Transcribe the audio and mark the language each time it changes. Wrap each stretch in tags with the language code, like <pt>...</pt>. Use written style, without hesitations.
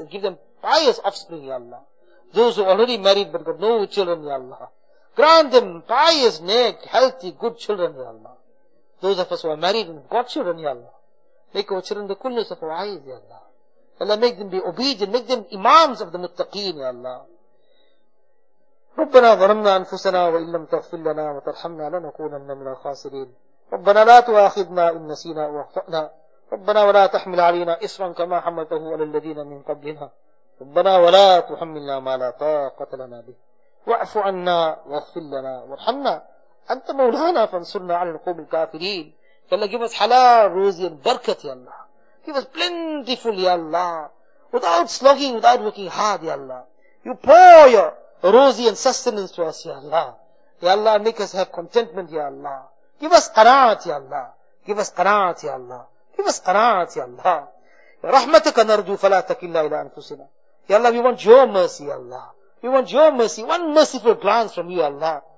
<en>And give them pious offspring, Ya Allah. Those who are already married but got no children, Ya Allah. Grant them pious, neck, healthy, good children, Ya Allah. Those of us who are married and got children, Ya Allah. Make our children the coolness of our eyes, Ya Allah. Ya Allah, make them be obedient. Make them imams of the muttaqeen, Ya Allah.</en> <ar>رَبَّنَا ظَلَمْنَا أَنفُسَنَا وَإِنْ لَمْ تَغْفِرْ لَنَا وَتَرْحَمْنَا لَنَكُونَنَّ مِنَ الْخَاسِرِينَ رَبَّنَا لَا تُؤَاخِذْنَا إِن نَّسِينَا أَوْ أَخْطَأْنَا رَبَّنَا وَلَا تَحْمِلْ عَلَيْنَا إِصْرًا كَمَا حَمَلْتَهُ عَلَى الَّذِينَ مِن قَبْلِنَا رَبَّنَا وَلَا تُحَمِّلْنَا مَا لَا طَاقَةَ لَنَا بِهِ وَاعْفُ عَنَّا وَاغْفِرْ لَنَا وَارْحَمْنَا أَنتَ مَوْلَانَا فَانصُرْنَا عَلَى الْقَوْمِ الْكَافِرِينَ يَا اللَّهُ</ar> <en>give us halal</en> <ar>رُزْقِي وَبَرَكَتِي يَا اللَّهُ</ar> <en>give us plentiful</en> <ar>يَا اللَّهُ</ar> <en>without slogging without working hard</en> <ar>يَا اللَّهُ</ar> <en>you pour your rosy and sustenance to us,</en> <ar>Ya Allah.</ar> <en>Ya Allah, make us have contentment, Ya Allah. Give us qanaat, Ya Allah. Give us qanaat, Ya Allah. Give us qanaat, Ya Allah.</en> <ar>Ya rahmataka narju fala takilna ila anfusina.</ar> <en>Ya Allah, we want your mercy, Ya Allah. We want your mercy. One merciful glance from you, Ya Allah.</en>